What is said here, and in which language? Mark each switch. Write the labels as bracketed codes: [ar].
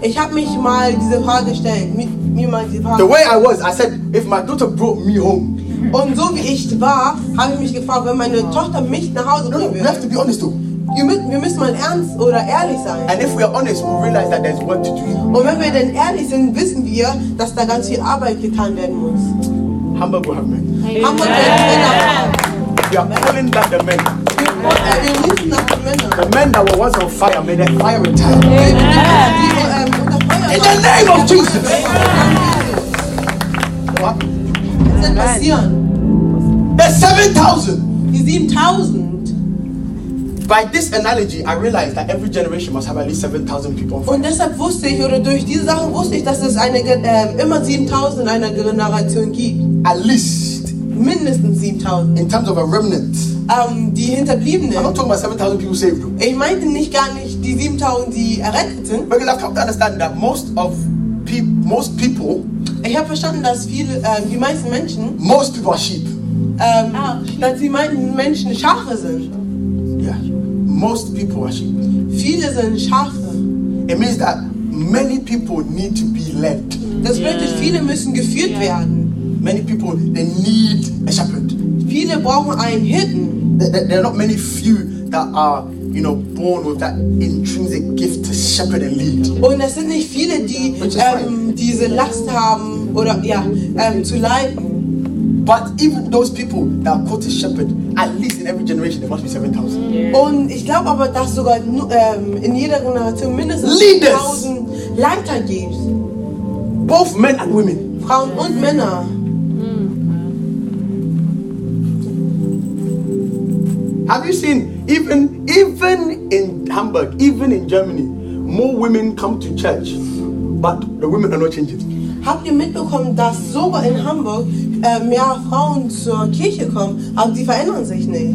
[de] Ich habe mich mal diese Frage gestellt. [en] The way I was, I said, if my daughter brought me home. [de] Und so wie ich war, habe ich mich gefragt, wenn meine Tochter mich nach Hause bringen würde. [en] No, we have to be honest though. [de] Wir müssen mal ernst oder ehrlich sein. [en] And if we are honest, we realize that there's work to do. [de] Und wenn wir denn ehrlich sind, wissen wir, dass da ganz viel Arbeit getan werden muss. [en] Hamburg will have men. Hamburg will have men. We are calling back the men. Yeah. The men that were once on fire, may their fire return. Yeah. In the name of Jesus. Yeah. What? It's a passion. There's 7,000. He's 7,000. By this analogy, I realized that every generation must have at least 7,000 people. [de] Und deshalb wusste ich, oder durch diese Sache wusste ich, dass es immer 7,000 einer Generation gibt. [en] At least. [de] Mindestens 7,000. [en] In terms of a remnant. [de] die Hinterbliebenen. [en] I'm not talking about 7,000 people saved. [de] Ich meinte nicht gar nicht die 7,000, die errettet sind. [en] But you have come to understand that most people. [de] Ich habe verstanden, dass viele, die meisten Menschen. [en] Most people are sheep. [de] Dass die meisten Menschen Schafe sind. [en] Yeah. Most people are sheep. [de] Viele sind Schafe. [en] It means that many people need to be led. [de] Das bedeutet, viele müssen geführt werden. [en] Many people, they need a shepherd. [de] Viele brauchen einen Hirten. [en] There are not many few that are, you know, born with that intrinsic gift to shepherd and lead. [de] Und es sind nicht viele, die diese Last haben oder zu leiden. [en] But even those people that are called to shepherd, at least in every generation, there must be 7,000. Yeah. [de] Und ich glaube aber, dass sogar in jeder Generation mindestens 7,000 Leiter gibt. [en] Both men and women. [de] Frauen und Männer. Mm. [en] Have you seen, even in Hamburg, even in Germany, more women come to church, but the women are not changing. [de] Habt ihr mitbekommen, dass sogar in Hamburg mehr Frauen zur Kirche kommen, aber die verändern sich nicht?